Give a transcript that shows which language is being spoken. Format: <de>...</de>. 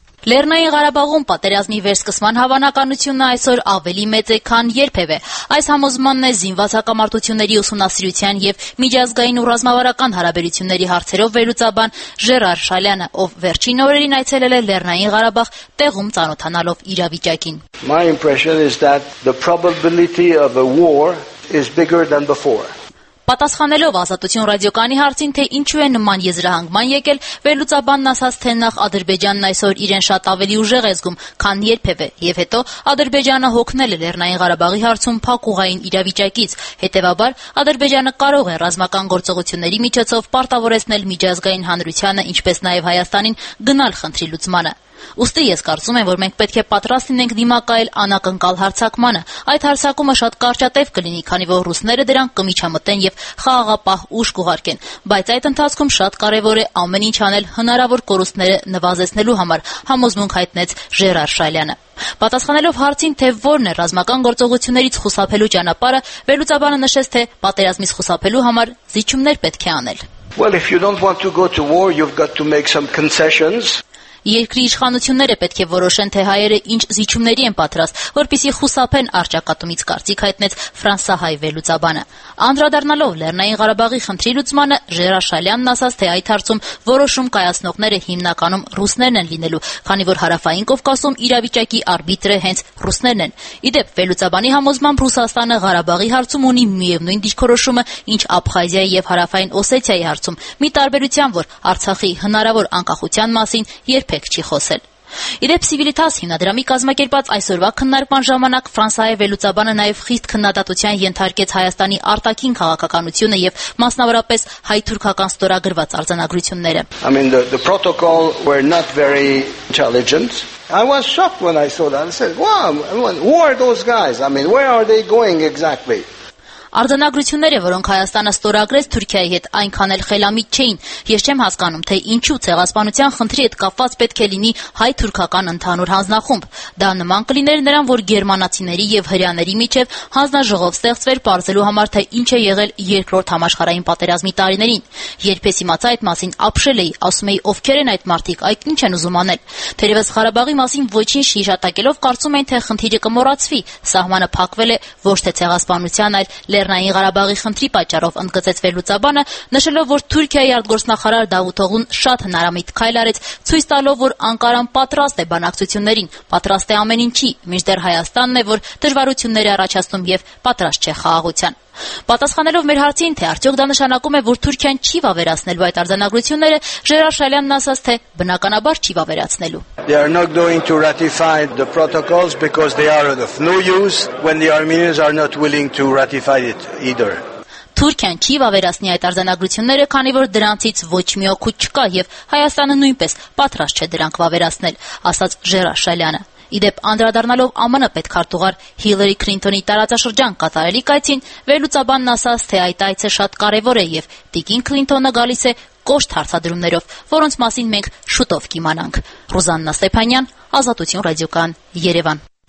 <hy>Լեռնային Ղարաբաղում պատերազմի վերսկսման հավանականությունը այսօր ավելի մեծ է, քան երբևէ։ Այս համոզմանն է զինված հակամարտությունների ուսումնասիրության և միջազգային ու ռազմավարական հարաբերությունների հարցերով վերլուծաբան Ժերար Շալյանը, ով վերջին օրերին այցելել է Լեռնային Ղարաբաղ, տեղում ծանոթանալով իրավիճակին։</hy> <en>My impression is that the probability of a war is bigger than before.</en> <hy>Պատասխանելով Ազատություն ռադիոկանի հարցին, թե ինչու է նման եզրահանգման եկել, վերլուծաբանն ասաց, թե նախ Ադրբեջանն այսօր իրեն շատ ավելի ուժեղ է զգում, քան երբևէ, և հետո Ադրբեջանը հոգնել է Լեռնային Ղարաբաղի հարցում փակուղային իրավիճակից, հետևաբար Ադրբեջանը կարող է ռազմական գործողությունների միջոցով պարտավորեցնել միջազգային հանրությանը, ինչպես նաև Հայաստանին, գնալ խնդրի լուծմանը։ Ուստի ես կարծում եմ, որ մենք պետք է պատրաստ լինենք դիմակայել անակնկալ հարցակմանը։ Այդ հարցակումը շատ կարճատև կլինի, քանի որ ռուսները դրան կմիջամտեն և խաղաղապահ ուժ կուղարկեն, բայց այդ ընթացքում շատ կարևոր է ամեն ինչ անել հնարավոր կորուստները նվազեցնելու համար, համոզմունք հայտնեց Ժերար Շալյանը։ Պատասխանելով հարցին, թե որն է ռազմական գործողություններից խուսափելու ճանապարհը, վերլուծաբանը նշեց, թե պատերազմից խուսափելու համար զիջումներ պետք է անել։</hy> <en>Well, if you don't want to go to war, you've got to make some concessions.</en> <hy>Երկրի իշխանությունները պետք է որոշեն, թե հայերը ինչ զիջումների են պատրաստ, որպեսզի խուսափեն արճակատումից, կարծիք հայտնեց ֆրանսահայ վերլուծաբանը։ Անդրադառնալով Լեռնային Ղարաբաղի խնդրի լուծմանը, Ժերար Շալյանն ասաց, թե այդ հարցում որոշում կայացնողները հիմնականում ռուսներն են լինելու, քանի որ Հարավային Կովկասում իրավիճակի արբիտրը հենց ռուսներն են։ Իդեպ, վերլուծաբանի համոզմամբ Ռուսաստանը Ղարաբաղի հարցում ունի միևնույն դիրքորոշումը, ինչ Աբխազիայի և Հարավային Օսեթիայի հարցում, մի տարբերությամբ, որ Արցախի հնարավոր անկախության մասին երբեք չի խոսել։ Իդեպ, Սիվիլիտաս հիմնադրամի կազմակերպած այսօրվա քննարկման ժամանակ ֆրանսահայ վելուցաբանը նաև խիստ քննադատության ենթարկեց Հայաստանի արտաքին քաղաքականությունը և մասնավորապես հայ-թուրքական ստորագրված արձանագրությունները։</hy> <en>I mean the protocol were not very intelligent. I was shocked when I saw that. I said, "Wow, who are those guys? I mean, where are they going exactly?"</en> <hy>Արձանագրությունները, որոնք Հայաստանը ստորագրեց Թուրքիայի հետ, այնքան էլ խելամիտ չէին։ Ես չեմ հասկանում, թե ինչու ցեղասպանության խնդրի հետ կապված պետք է լինի հայ-թուրքական ընդհանուր հանձնախումբ։ Դա նման կլիներ նրան, որ գերմանացիների և հրեաների միջև հանձնաժողով ստեղծվեր պարզելու համար, թե ինչ է եղել երկրորդ համաշխարհային պատերազմի տարիներին։ Երբես իմացա այդ մասին, ապշել էի, ասում էի, ովքեր են այդ մարդիկ, այդ ինչ են ուզում անել։ Թերևս Ղարաբաղի մասին ոչինչ հիշատակելով կարծում էին, թե խնդիրը կմոռացվի, սահմանը փակվել է ոչ թե ցեղասպանության, այլ Լեռնային Ղարաբաղի խնդրի պատճառով, ընդգծեց վերլուծաբանը, նշելով, որ Թուրքիայի արտգործնախարար Դավութողուն շատ հնարամիտ քայլ արեց, ցույց տալով, որ Անկարան պատրաստ է բանակցություններին, պատրաստ է ամեն ինչի, մինչդեռ Հայաստանն է, որ դժվարությունները առաջացնում և պատրաստ չէ խաղաղության։ Պատասխանելով մեր հարցին, թե արդյոք դա նշանակում է, որ Թուրքիան չի վավերացնելու այդ արձանագրությունները, Ժերար Շալյանն ասաց, թե բնականաբար չի վավերացնելու։</hy> <en>They are not going to ratify the protocols because they are of no use when the Armenians are not willing to ratify it either.</en> <hy>Թուրքիան չի վավերացնի այդ արձանագրությունները, քանի որ դրանցից ոչ մի օգուտ չկա և Հայաստանը նույնպես պատրաստ չէ դրանք վավերացնել, ասաց Ժերար Շալյանը։ Իդեպ, անդրադառնալով ԱՄՆ պետքարտուղար Հիլերի Քլինթոնի տարածաշրջան կատարելի կայցին, վերլուծաբանն ասաց, թե այդ այցը շատ կարևոր է և տիկին Քլինթոնը գալիս է կոշտ հարցադրումներով, որոնց մասին մենք շուտով կիմանանք։ Ռուզաննա Ստեփանյան, Ազատություն ռադիոկան, Երևան։</hy>